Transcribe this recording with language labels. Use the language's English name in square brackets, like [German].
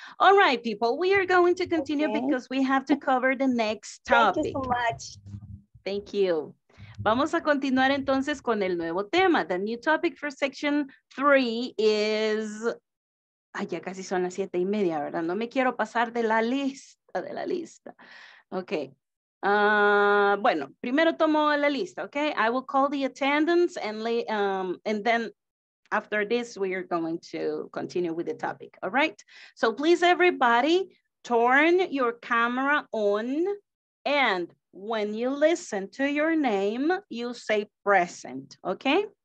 [English] All right, people, we are going to continue because we have to cover the next topic. Thank you so much. Thank you. [Spanish] Vamos a continuar entonces con el nuevo tema. [English] The new topic for section 3 is... [Spanish] Ay, ya casi son las 7:30, ¿verdad? No me quiero pasar de la lista, de la lista. Okay. Bueno, primero tomo la lista, [English] okay? I will call the attendance and then after this we are going to continue with the topic, all right? So please everybody turn your camera on and when you listen to your name, you say present, okay?